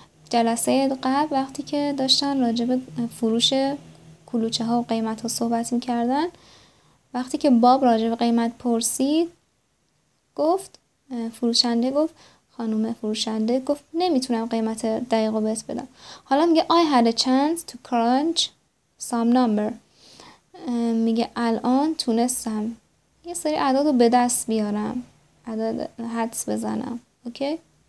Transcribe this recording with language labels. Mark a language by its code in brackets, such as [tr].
[fa] جلسه قبل وقتی که داشتن راجع به فروش کلوچه ها و قیمت ها صحبت میکردن وقتی که باب راجع به قیمت پرسید گفت فروشنده گفت خانوم فروشنده گفت نمیتونم قیمت دقیق رو بهت بدم. حالا میگه [en] I had a chance to crunch some number. [fa] میگه الان تونستم یه سری عدد رو به دست بیارم. عدد حدس بزنم. اوکی؟